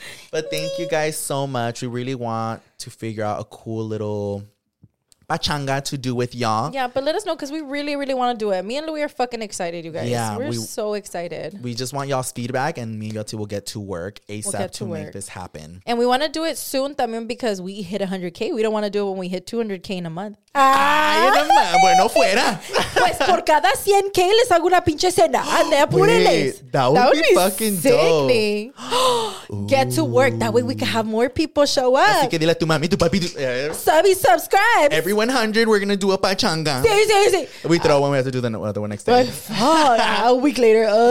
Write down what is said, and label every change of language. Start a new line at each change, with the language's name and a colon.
English: But thank you guys so much. We really want to figure out a cool little pachanga to do with y'all. Yeah, but let us know because we really, really want to do it. Me and Louis are fucking excited, you guys. Yeah, we're so excited. We just want y'all's feedback and me and Yoti will get to work ASAP to make this happen. And we want to do it soon,
Spanish: también,
English: because we hit 100K. We don't want to do it when we hit 200K in a month.
Spanish: Bueno, fuera. Pues por cada 100K les hago una pinche cena. Ande, apúreles.
English: That would be fucking dope. Get to work. That way we can have more people show up.
Spanish: Así que dile a tu mami, tu papi.
English: Subby, subscribe. Every 100, we're going to do a pachanga.
Spanish: Sí, sí, sí.
English: We throw one. We have to do the other one next day. But fuck. A week later.